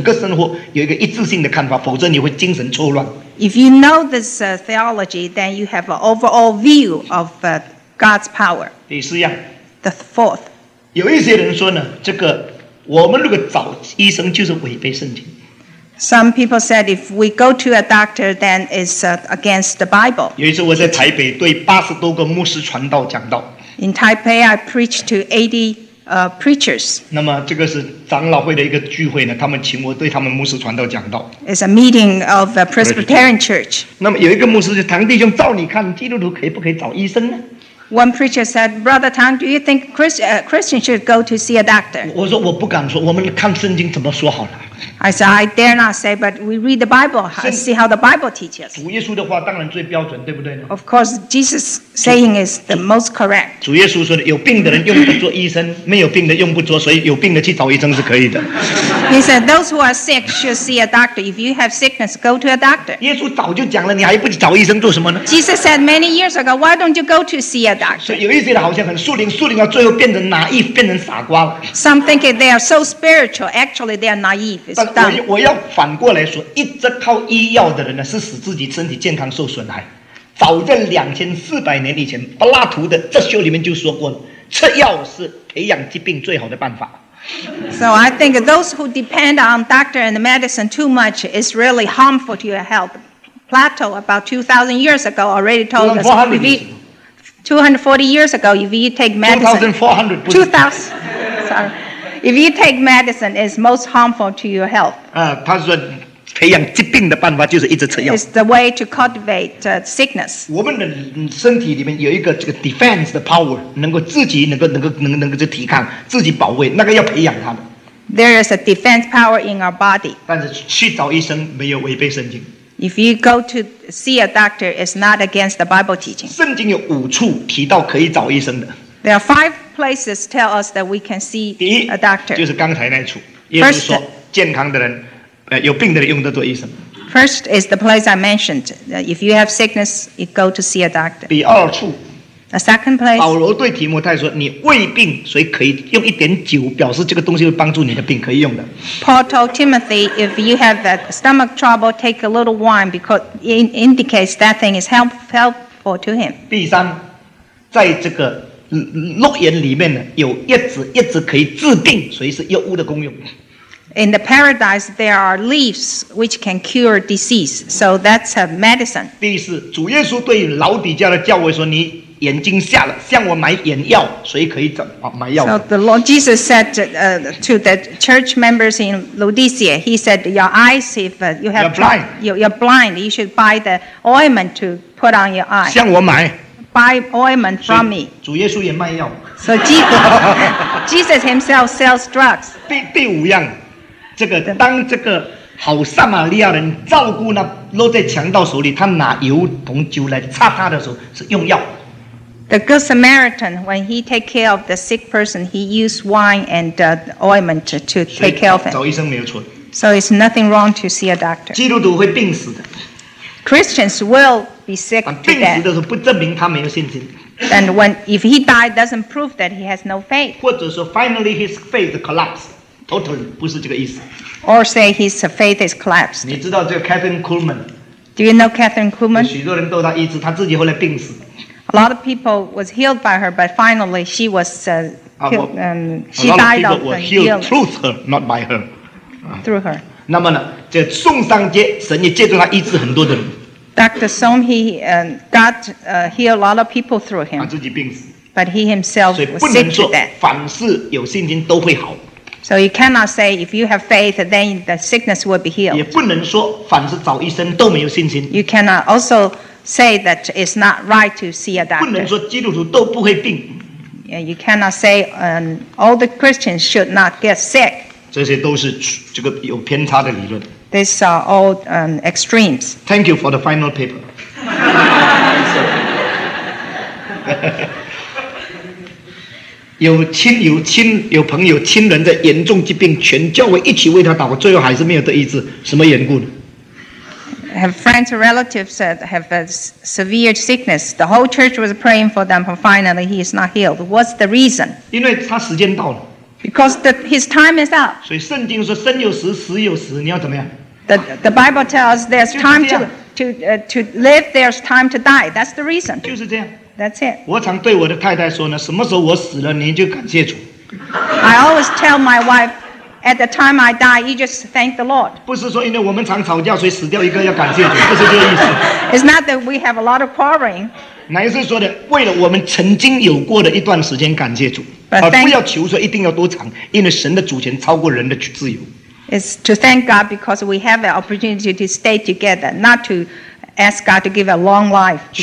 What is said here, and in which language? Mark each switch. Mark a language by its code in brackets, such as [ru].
[zh] 这样子神学思想才会使你对整个生活有一个一致性的看法, 否则你会精神错乱。 [en] If you know this theology, then you have an overall view of God's power. [zh] 第四样, [en] the fourth. [zh] 有一些人说呢, 这个, 我们如果找医生就是违背圣经。 [en] Some people said if we go to a doctor, then it's against the Bible. [zh] 有一次我在台北对80多个牧师传道讲道。 [en] In Taipei, I preached to 80 preachers. [zh] 那么这个是长老会的一个聚会呢，他们请我对他们牧师传道讲道。 [en] It's a meeting of a Presbyterian church. [zh] 那么有一个牧师就唐弟兄，照你看，基督徒可以不可以找医生呢？ [en] One preacher said, Brother Tang, do you think Christians should go to see a doctor? [zh] 我说我不敢说，我们看圣经怎么说好了。 [en] I said, I dare not say, but we read the Bible, see how the Bible teaches. [zh] 主耶稣的话当然最标准，对不对呢？ [en] Of course, Jesus saying is the most correct. [zh] 主耶稣说的，有病的人用不着医生，没有病的用不着，所以有病的去找医生是可以的。 [en] He said, those who are sick should see a doctor. If you have sickness, go to a doctor. [zh] 耶稣早就讲了，你还不去找医生做什么呢？ [en] Jesus said many years ago, why don't you go to see a doctor? [zh] 所以有一些人好像很树灵到最后变成 naive， 变成傻瓜了。 [en] Some think they are so spiritual, actually they are naive. [zh] 但我要反过来说，一直靠医药的人呢，是使自己身体健康受损害。早在2400年以前，柏拉图的《哲学》里面就说过了，吃药是培养疾病最好的办法。 [en] So I think those who depend on doctor and medicine too much is really harmful to your health. Plato, about 2,000 years ago, already told us. 240 years ago, if you take medicine, 2,000, sorry, if you take medicine, it's most harmful to your health. [zh] 他说培养疾病的办法就是一直吃药。 [en] It's the way to cultivate sickness. [zh] 我们的身体里面有一个这个 defense 的 power， 能够自己能够抵抗，自己保卫，那个要培养它的。 [en] There is a defense power in our body. [zh] 但是去找医生没有违背圣经。 [en] If you go to see a doctor, it's not against the Bible teaching. [zh] 圣经有五处提到可以找医生的。 [en] There are five places tell us that we can see a doctor. [zh] 第一就是刚才那处，耶稣说健康的人，有病的人用得做医生。 [en] First is the place I mentioned. If you have sickness, you go to see a doctor. [zh] 第二处。 [en] A second place. [zh] 保罗对提摩太说，你胃病，所以可以用一点酒，表示这个东西会帮助你的病，可以用的。 [en] Paul told Timothy, if you have that stomach trouble, take a little wine, because it indicates that thing is helpful to him. [zh] 第三，在这个乐园里面呢，有叶子，叶子可以治病，所以是药物的功用。 [en] In the paradise, there are leaves which can cure disease, so that's a medicine. [zh] 第四，主耶稣对老底家的教会说，你眼睛瞎了，向我买眼药，谁可以怎么买药？ [en] So the Lord Jesus said to the church members in Laodicea, he said, your eyes, if you have you're blind, you should buy the ointment to put on your eyes. [zh] 向我买。 [en] Buy ointment from me. [zh] 主耶稣也卖药。 [en] So Jesus himself sells drugs. [zh] 第五样，这个当这个好撒玛利亚人照顾那落在强盗手里，他拿油同酒来擦他的时候，是用药。 [en] The good Samaritan, when he take care of the sick person, he used wine and ointment to take care of him. [zh] 找医生没有错。 [en] So it's nothing wrong to see a doctor. [zh] 基督徒会病死的。 [en] Christians will be sick to death. [zh] 病死的时候不证明他没有信心。 [en] And when if he died, doesn't prove that he has no faith. [zh] 或者说 [en] finally his faith collapsed, totally [zh] 不是这个意思。 [en] Or say his faith is collapsed. [zh] 你知道这个 Catherine Kuhlman? [en] Do you know Catherine Kuhlman? [zh] 许多人都他医治，他自己后来病死。 [en] A lot of people was healed by her, but finally she was died of the healing. A lot of people were healed through her, not by her. Through her. [zh] 那么呢，这宋尚杰，神也借着他医治很多的人。 [en] Dr. Song, healed a lot of people through him. [zh] 他自己病死。 [en] But he himself was sick to death. [zh] 所以不能说凡事有信心都会好。 [en] So you cannot say if you have faith, then the sickness will be healed. [zh] 也不能说凡事找医生都没有信心。 [en] You cannot also say that it's not right to see a doctor. [zh] 不能说基督徒都不会病。 [en] You cannot say all the Christians should not get sick. [zh] 这些都是这个有偏差的理论。 [en] These are all extremes. Thank you for the final paper. [zh] 有朋友亲人在严重疾病，全教会一起为他祷告，最后还是没有得医治，什么缘故呢？ [en] Have friends or relatives that have a severe sickness. The whole church was praying for them, but finally he is not healed. What's the reason? Because his time is up. [zh] So 圣经说生有时，死有时，你要怎么样？ [en] The Bible tells there's time to live, there's time to die. That's the reason. [zh] 就是这样。 [en] That's it. [zh] 我常对我的太太说呢，什么时候我死了，你就感谢主。 [en] I always tell my wife, at the time I die, you just thank the Lord. [zh] 不是说因为我们常吵架，所以死掉一个要感谢主，不是这个意思。 [en] It's not that we have a lot of quarreling. [zh] 乃是说的，为了我们曾经有过的一段时间感谢主， 而不要求说一定要多长，因为神的主权超过人的自由。 [en] It's to thank God because we have an opportunity to stay together, not to ask God to give a long life.